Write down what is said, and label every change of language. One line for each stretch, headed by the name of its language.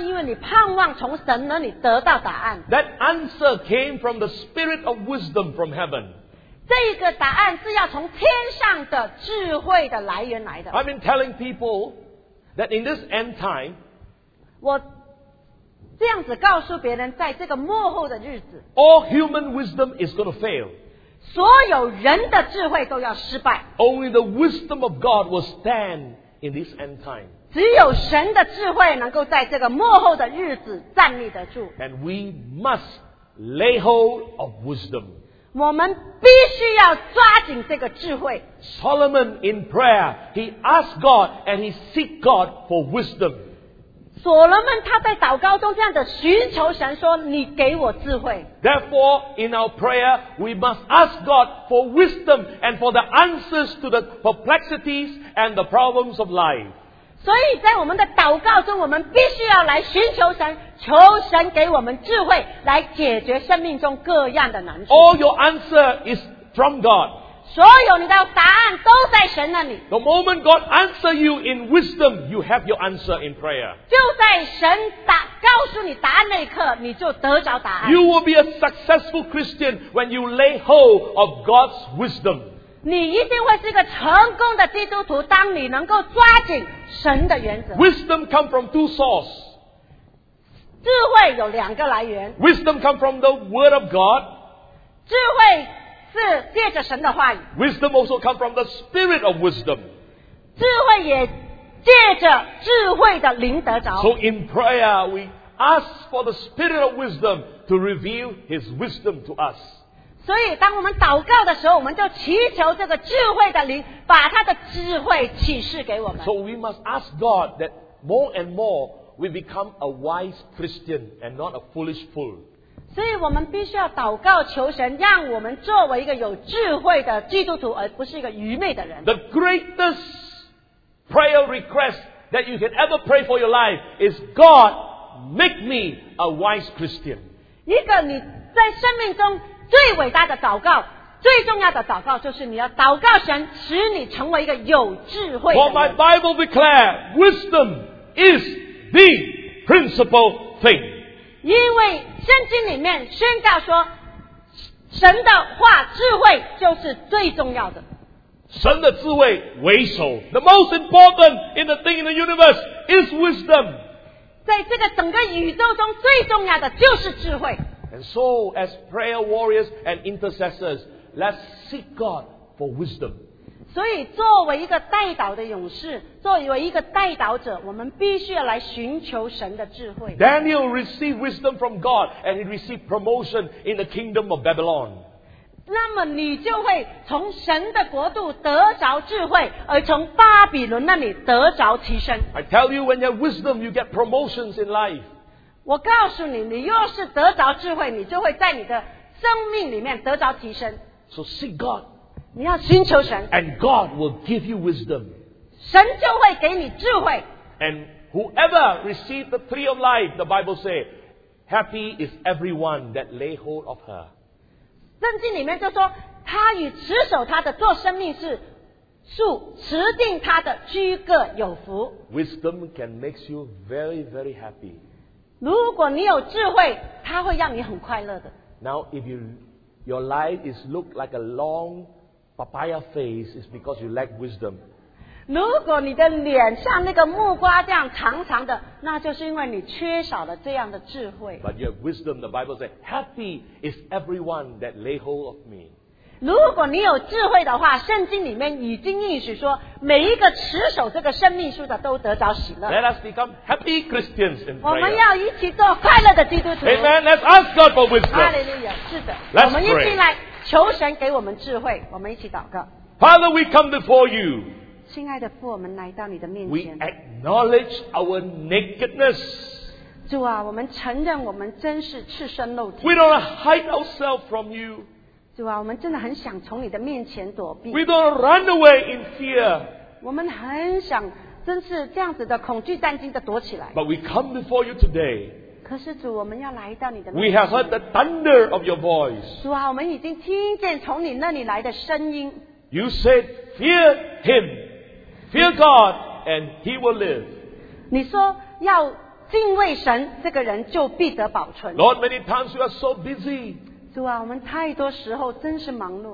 Chinese: 因为你盼望从神那里得到答案。
English: That answer came from the spirit of wisdom from heaven.
Chinese: 这个答案是要从天上的智慧的来源来的。
English: I've been telling people that in this end time,
Chinese: 我这样子告诉别人，在这个末后的日子，
English: all human wisdom is going to fail.
Chinese: 所有人的智慧都要失败。
English: Only the wisdom of God will stand in this end time.
Chinese: 只有神的智慧能够在这个末后的日子站立得住。
English: And we must lay hold of wisdom.
Chinese: 我们必须要抓紧这个智慧。
English: Solomon in prayer, he asked God and he seek God for wisdom.
Chinese: 所罗门他在祷告中这样的寻求神说，你给我智慧。
English: Therefore, in our prayer, we must ask God for wisdom and for the answers to the perplexities and the problems of life.
Chinese: 所以在我们的祷告中，我们必须要来寻求神，求神给我们智慧，来解决生命中各样的难处。
English: All your answer is from God.
Chinese: 所有你的答案都在神那里。
English: The moment God answer you in wisdom, you have your answer in prayer.
Chinese: 就在神答告诉你答案那一刻，你就得着答案。
English: You will be a successful Christian when you lay hold of God's wisdom.
Chinese: 你一定会是一个成功的基督徒，当你能够抓紧神的原则。
English: Wisdom come from two sources.
Chinese: 智慧有两个来源。
English: Wisdom come from the Word of God.
Chinese: 智慧是借着神的话语。
English: Wisdom also come from the Spirit of wisdom.
Chinese: 智慧也借着智慧的灵得着。
English: So in prayer, we ask for the Spirit of wisdom to reveal His wisdom to us.
Chinese: 所以当我们祷告的时候，我们就祈求这个智慧的灵把他的智慧启示给我们。
English: So we must ask God that more and more we become a wise Christian and not a foolish fool.
Chinese: 所以我们必须要祷告求神，让我们作为一个有智慧的基督徒，而不是一个愚昧的人。
English: The greatest prayer request that you can ever pray for your life is God, make me a wise Christian.
Chinese: 一个你在生命中最伟大的祷告，最重要的祷告，就是你要祷告神使你成为一个有智慧的人。
English: For my Bible declare, wisdom is the principal thing.
Chinese: 因为圣经里面宣告说，神的话智慧就是最重要的。神的智慧为首。
English: The most important in the thing in the universe is wisdom.
Chinese: 在这个整个宇宙中最重要的就是智慧。
English: And so, as prayer warriors and intercessors, let's seek God for wisdom.
Chinese: 所以作为一个代祷的勇士，作为一个代祷者，我们必须要来寻求神的智慧。
English: Daniel received wisdom from God and he received promotion in the kingdom of Babylon.
Chinese: 那么你就会从神的国度得着智慧，而从巴比伦那里得着提升。
English: I tell you, when you have wisdom, you get promotions in life.
Chinese: 我告诉你，你若是得着智慧，你就会在你的生命里面得着提升。
English: So seek God.
Chinese: 你要寻求神。
English: And God will give you wisdom.
Chinese: 神就会给你智慧。
English: And whoever received the tree of life, the Bible says, happy is everyone that lay hold of her.
Chinese: 圣经里面就说，他与持守他的做生命是树，持定他的居各有福。
English: Wisdom can make you very, very happy.
Chinese: 如果你有智慧，它会让你很快乐的。
English: Now, if your life is look like a long papaya face, it's because you lack wisdom.
Chinese: 如果你的脸像那个木瓜这样长长的，那就是因为你缺少了这样的智慧。
English: But you have wisdom, the Bible says, happy is everyone that lay hold of me.
Chinese: 如果你有智慧的话，圣经里面已经应许说，每一个持守这个生命树的都得着喜乐。
English: Let us become happy Christians in prayer.
Chinese: 我们要一起做快乐的基督徒。
English: Amen. Let's ask God for wisdom.
Chinese: Hallelujah. 是的。
English: Let's
Chinese: 我们一起来求神给我们智慧。我们一起祷告。
English: Father, we come before you.
Chinese: 亲爱的父，我们来到你的面前。
English: We acknowledge our nakedness.
Chinese: 主啊，我们承认我们真是赤身露体。
English: We don't hide ourselves from you.
Chinese: 主啊，我们真的很想从你的面前躲避。
English: We don't run away in fear.
Chinese: 我们很想，真是这样子的恐惧战惊的躲起来。
English: But we come before you today.
Chinese: 可是主，我们要来到你的面前。
English: We have heard the thunder of your voice.
Chinese: 主啊，我们已经听见从你那里来的声音。
English: You said, "Fear him." Fear God, and he will live.
Chinese: 你说要敬畏神，这个人就必得保存。
English: Lord, many times we are so busy.
Chinese: 主啊，我们太多时候真是忙碌。